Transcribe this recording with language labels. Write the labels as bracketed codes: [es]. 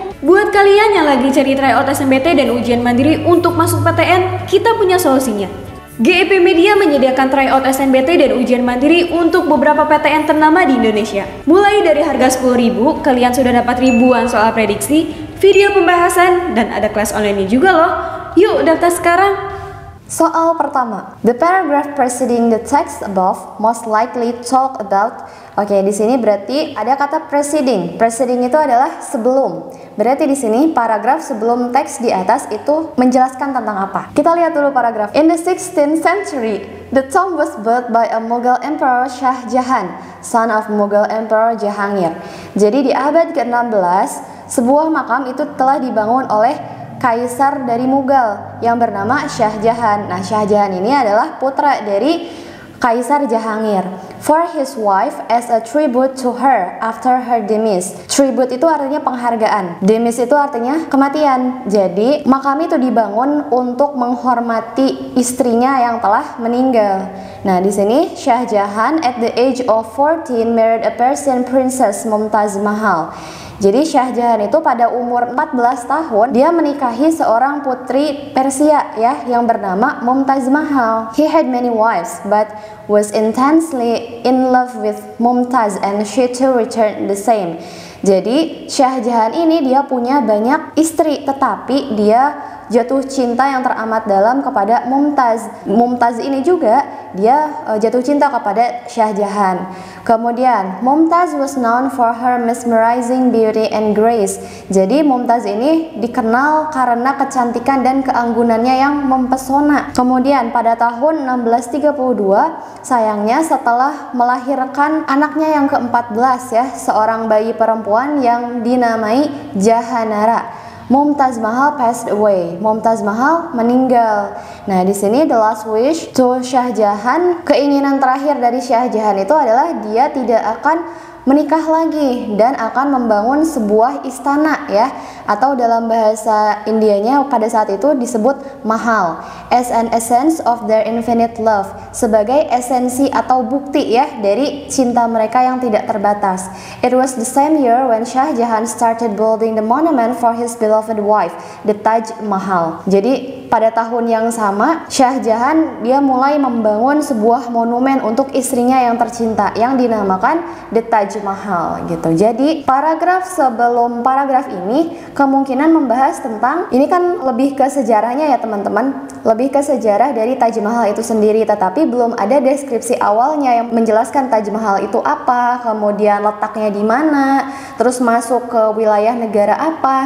[id] Buat kalian yang lagi cari tryout SNBT dan ujian mandiri untuk masuk PTN, kita punya solusinya. GEP Media menyediakan tryout SNBT dan ujian mandiri untuk beberapa PTN ternama di Indonesia. Mulai dari harga Rp10.000, kalian sudah dapat ribuan soal prediksi, video pembahasan, dan ada kelas online-nya juga loh. Yuk daftar sekarang! Soal pertama, [en] the paragraph preceding the text above most likely talk about. [id] Oke, di sini berarti ada kata preceding. Preceding itu adalah sebelum. Berarti di sini paragraf sebelum teks di atas itu menjelaskan tentang apa. Kita lihat dulu paragraf. [en] In the 16th century, the tomb was built by a Mughal Emperor Shah Jahan, son of Mughal Emperor Jahangir. [id] Jadi di abad ke-16, sebuah makam itu telah dibangun oleh Kaisar dari Mughal yang bernama Shah Jahan. Nah, Shah Jahan ini adalah putra dari Kaisar Jahangir. [en] For his wife as a tribute to her after her demise. [id] Tribute itu artinya penghargaan. Demise itu artinya kematian. Jadi, makam itu dibangun untuk menghormati istrinya yang telah meninggal. Nah, di sini [en] Shah Jahan at the age of 14 married a Persian princess Mumtaz Mahal. [id] Jadi Shah Jahan itu pada umur 14 tahun dia menikahi seorang putri Persia ya yang bernama Mumtaz Mahal. [en] He had many wives but was intensely in love with Mumtaz and she too returned the same. [id] Jadi Shah Jahan ini dia punya banyak istri tetapi dia jatuh cinta yang teramat dalam kepada Mumtaz. Mumtaz ini juga dia jatuh cinta kepada Shah Jahan. Kemudian [en] Mumtaz was known for her mesmerizing beauty and grace. [id] Jadi Mumtaz ini dikenal karena kecantikan dan keanggunannya yang mempesona. Kemudian pada tahun 1632, sayangnya setelah melahirkan anaknya yang ke-14 ya, seorang bayi perempuan yang dinamai Jahanara, Mumtaz Mahal [en] passed away. [id] Mumtaz Mahal meninggal. Nah, di sini [en] the last wish to Shah Jahan, [id] keinginan terakhir dari Shah Jahan itu adalah dia tidak akan menikah lagi dan akan membangun sebuah istana ya, atau dalam bahasa Indianya pada saat itu disebut Mahal, [en] as an essence of their infinite love, [id] sebagai esensi atau bukti ya dari cinta mereka yang tidak terbatas. [en] It was the same year when Shah Jahan started building the monument for his beloved wife, the Taj Mahal. [id] Jadi pada tahun yang sama Shah Jahan dia mulai membangun sebuah monumen untuk istrinya yang tercinta yang dinamakan the Taj Mahal gitu. Jadi paragraf sebelum paragraf ini kemungkinan membahas tentang, ini kan lebih ke sejarahnya ya teman-teman, lebih ke sejarah dari Taj Mahal itu sendiri, tetapi belum ada deskripsi awalnya yang menjelaskan Taj Mahal itu apa, kemudian letaknya di mana, terus masuk ke wilayah negara apa.